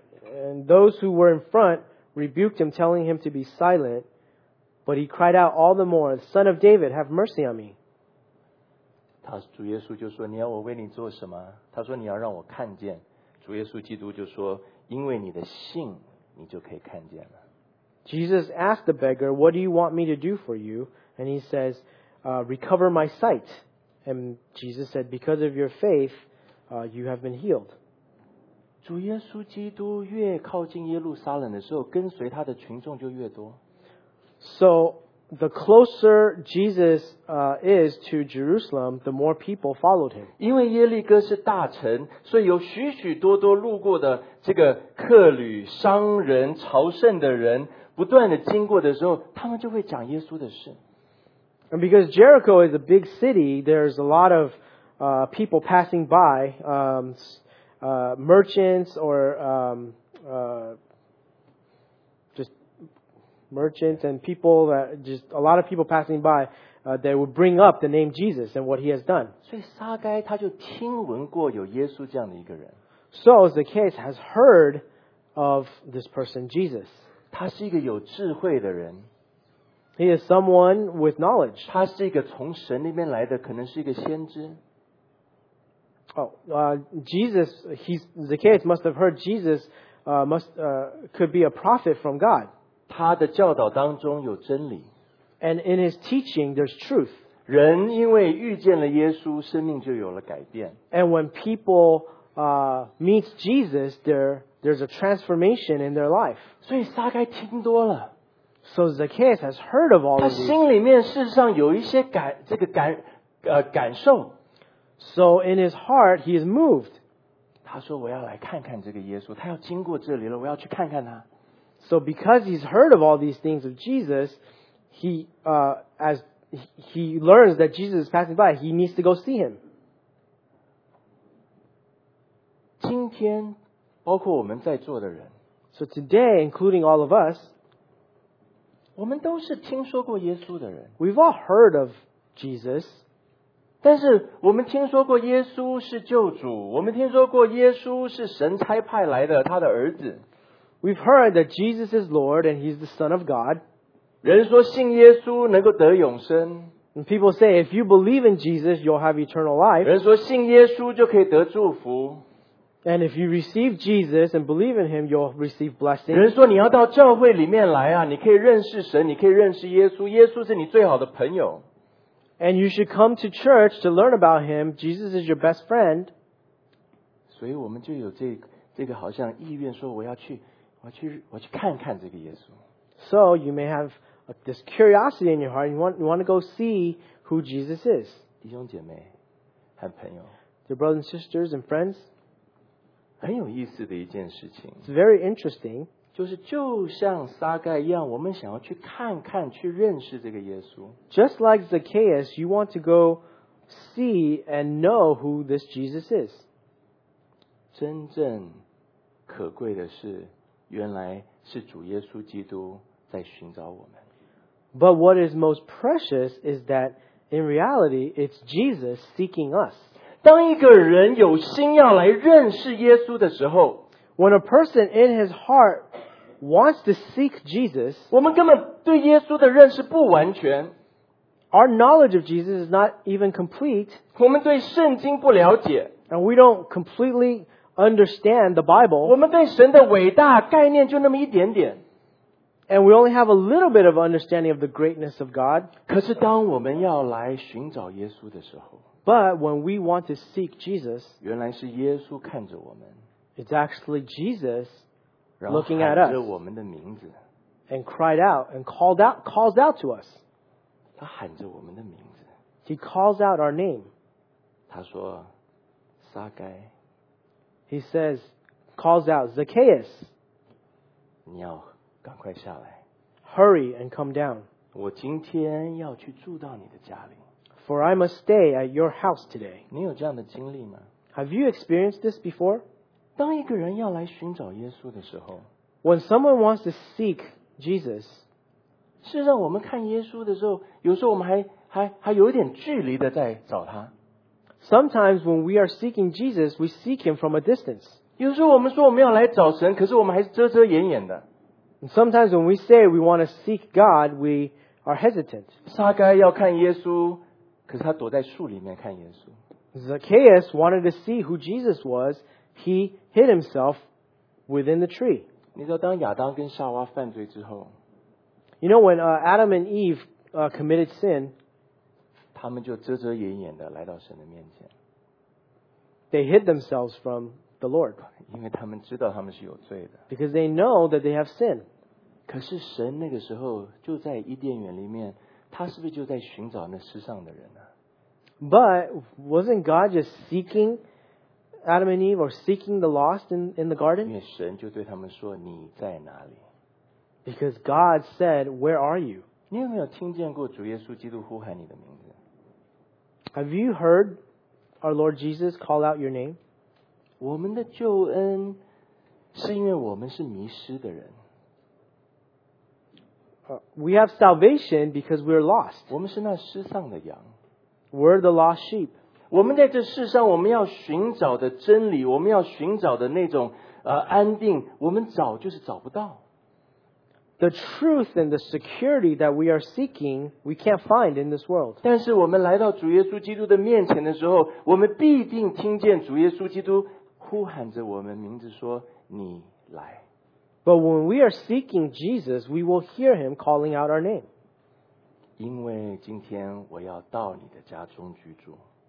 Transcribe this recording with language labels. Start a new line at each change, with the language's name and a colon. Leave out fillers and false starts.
English: And those who were in front rebuked him, telling him to be silent. But he cried out all the more, Son of David, have mercy on me.
Chinese: 他主耶稣就说你要我为你做什么，他说你要让我看见，主耶稣基督就说因为你的信你就可以看见了。
English: Jesus asked the beggar, what do you want me to do for you? And he says, recover my sight. And Jesus said, because of your faith, you have been healed.
Chinese: 主耶稣基督越靠近耶路撒冷的时候，跟随他的群众就越多。
English: So the closer Jesus is to Jerusalem, the more people followed him.
Chinese: 因为耶利哥是大城，所以有许许多多路过的这个客旅、商人、朝圣的人不断的经过的时候，他们就会讲耶稣的事。
English: And because Jericho is a big city, there's a lot of people passing by, merchants or just merchants and people, that just a lot of people passing by, they would bring up the name Jesus and what he has done.
Chinese: 所以撒该他就听闻过有耶稣这样的一个人。
English: So Zacchaeus has heard of this person, Jesus.
Chinese: 他是一个有智慧的人。
English: He is someone with knowledge.
Chinese: 他是一个从神那边来的，可能是一个先知。
English: Jesus, Zacchaeus must have heard Jesus, could be a prophet from God.
Chinese: 他的教导当中有真理。
English: And in his teaching, there's truth.
Chinese: 人因为遇见了耶稣，生命就有了改变。
English: And when people meet Jesus, there's a transformation in their life.
Chinese: 所以撒该听多了。
English: So Zacchaeus has heard of all of these.
Chinese: 他心里面事实上有一些感受。
English: So in his heart, he is moved.
Chinese: 他说我要来看看这个耶稣，他要经过这里了，我要去看看他。
English: So because he's heard of all these things of Jesus, as he learns that Jesus is passing by, he needs to go see him.
Chinese: 今天包括我们在座的人。
English: So today, including all of us,
Chinese: 我们都是听说过耶稣的人。
English: We've all heard of Jesus.
Chinese: 但是我们听说过耶稣是救主，我们听说过耶稣是神差派来的他的儿子。
English: We've heard that Jesus is Lord and he's the Son of God.
Chinese: 人说信耶稣能够得永生。
English: And people say if you believe in Jesus, you'll have eternal life.
Chinese: 人说信耶稣就可以得祝福。
English: And if you receive Jesus and believe in him, you'll receive blessing.
Chinese: 人说你要到教会里面来啊，你可以认识神，你可以认识耶稣，耶稣是你最好的朋友。
English: And you should come to church to learn about him. Jesus is your best friend.
Chinese: 所以我们就有这个好像意愿说我要去看看这个耶稣。
English: So you may have this curiosity in your heart. You want to go see who Jesus is.
Chinese: 弟兄姐妹和朋友。
English: Dear brothers and sisters and friends.
Chinese: 很有意思的一件事情。
English: It's very interesting.
Chinese: 就是就像撒该一样，我们想要去看看，去认识这个耶稣。
English: Just like Zacchaeus, you want to go see and know who this Jesus is.
Chinese: 真正可贵的是，原来是主耶稣基督在寻找我们。
English: But what is most precious is that in reality, it's Jesus seeking us.
Chinese: 当一个人有心要来认识耶稣的时候
English: ，When a person in his heart wants to seek Jesus，
Chinese: 我们根本对耶稣的认识不完全
English: ，Our knowledge of Jesus is not even complete，
Chinese: 我们对圣经不了解
English: ，And we don't completely understand the Bible，
Chinese: 我们对神的伟大概念就那么一点点
English: ，And we only have a little bit of understanding of the greatness of God。
Chinese: 可是当我们要来寻找耶稣的时候。
English: But when we want to seek Jesus,
Chinese: 原来是耶稣看着我们
English: it's actually Jesus looking at us.
Chinese: 然后喊着我们的名字
English: and cried out and calls out to us.
Chinese: 他喊着我们的名字
English: He calls out our name.
Chinese: 他说撒该
English: He says, calls out Zacchaeus.
Chinese: 你要赶快下来
English: Hurry and come down.
Chinese: 我今天要去住到你的家里。
English: For I must stay at your house today.
Chinese: 你有这样的经历吗？
English: Have you experienced this before?
Chinese: 当一个人要来寻找耶稣的时候，
English: When someone wants to seek Jesus,
Chinese: 事实上我们看耶稣的时候，有时候我们还有一点距离的在找他。
English: Sometimes when we are seeking Jesus, we seek him from a distance.
Chinese: 有时候我们说我们要来找神，可是我们还是遮遮掩掩的。
English: And sometimes when we say we want to seek God, we are hesitant.
Chinese: 撒该要看耶稣可是他躲在树里面看耶稣。
English: Zacchaeus wanted to see who Jesus was. He hid himself within the tree.
Chinese: 你知道当亚当跟夏娃犯罪之后
English: ，You know when Adam and Eve committed sin，
Chinese: 他们就遮遮掩掩的来到神的面前。
English: They hid themselves from the Lord.
Chinese: 因为他们知道他们是有罪的。
English: Because they know that they have sin.
Chinese: 可是神那个时候就在伊甸园里面，他是不是就在寻找那世上的人呢？
English: But wasn't God just seeking Adam and Eve or seeking the lost in the garden?
Chinese: 因为神就对他们说，你在哪里？
English: Because God said, where are you?
Chinese: 你有没有听见过主耶稣基督呼喊你的名字？
English: Have you heard our Lord Jesus call out your name?
Chinese: 我们的救恩是因为我们是迷失的人。
English: We have salvation because we're lost.
Chinese: 我们是那失丧的羊。
English: We're the lost sheep.
Chinese: 我们在这世上我们要寻找的真理，我们要寻找的那种安定，我们找就是找不到。
English: The truth and the security that we are seeking, we can't find in this world.
Chinese: 但是我们来到主耶稣基督的面前的时候，我们必定听见主耶稣基督呼喊着我们名字说，你来。
English: But when we are seeking Jesus, we will hear him calling out our name.
Chinese: 因为今天我要到你的家中居住。